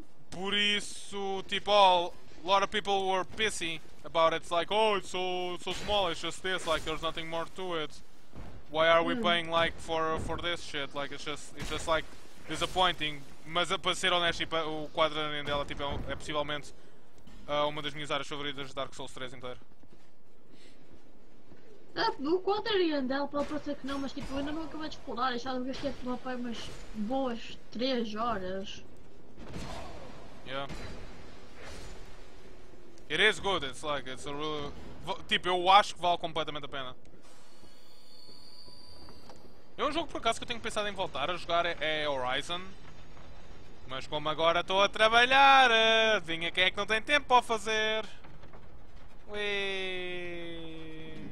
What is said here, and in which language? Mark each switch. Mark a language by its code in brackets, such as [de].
[pt] Por isso, tipo, [en] a lot of people were pissy about it. It's like, oh, it's so small, it's just this, like, there's nothing more to it. Why are we paying, like, for this shit? Like, it's just, like, disappointing. [pt] Mas, para ser honesto, tipo, o quadro de Ariandel tipo, é possivelmente uma das minhas áreas favoritas de Dark Souls 3 inteiro. O quadro de Ariandel, pode parecer que não, mas tipo, eu ainda não acabei de explorar. Já não gastei de tomar para umas boas 3 horas. [en] It is good, it's like, it's a really... [pt] Tipo, eu acho que vale completamente a pena. É um jogo, por acaso, que eu tenho pensado em voltar a jogar, é Horizon. Mas como agora estou a trabalhar, adivinha quem é que não tem tempo para fazer? Ui.